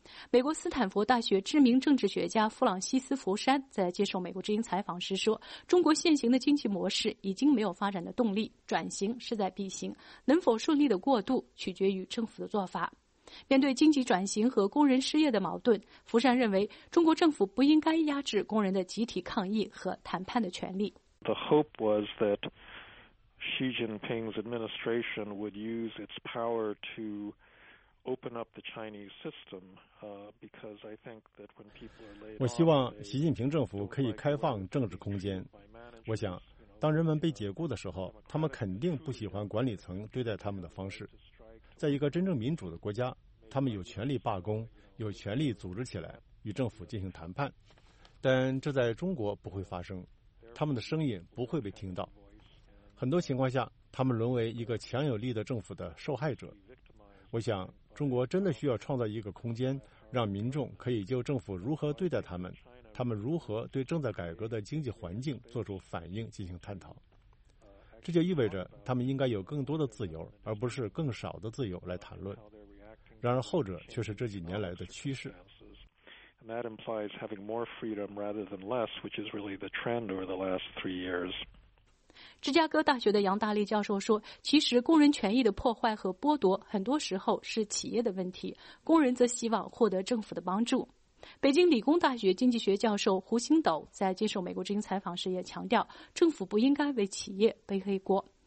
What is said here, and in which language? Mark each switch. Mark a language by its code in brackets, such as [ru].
[zh] 美国斯坦福大学知名政治学家弗朗西斯·福山在接受美国之音采访时说，中国现行的经济模式已经没有发展的动力，转型势在必行，能否顺利的过渡取决于政府的做法。面对经济转型和工人失业的矛盾，福山认为中国政府不应该压制工人的集体抗议和谈判的权利。 [en] The hope was that Xi Jinping's administration would use its power to open up the Chinese system, because I think that when people are laid off, [zh] 我希望习近平政府可以开放政治空间。我想，当人们被解雇的时候，他们肯定不喜欢管理层对待他们的方式。在一个真正民主的国家，他们有权利罢工，有权利组织起来与政府进行谈判。但这在中国不会发生，他们的声音不会被听到。很多情况下，他们沦为一个强有力的政府的受害者。我想，中国真的需要创造一个空间，让民众可以就政府如何对待他们，他们如何对正在改革的经济环境做出反应进行探讨。这就意味着他们应该有更多的自由，而不是更少的自由来谈论。然而后者却是这几年来的趋势。 [en] And that implies having more freedom rather than less, which is really the trend over the last three years. [zh] 芝加哥大学的杨大力教授说，其实工人权益的破坏和剥夺很多时候是企业的问题，工人则希望获得政府的帮助。北京理工大学经济学教授胡星斗在接受美国之音采访时也强调，政府不应该为企业背黑锅。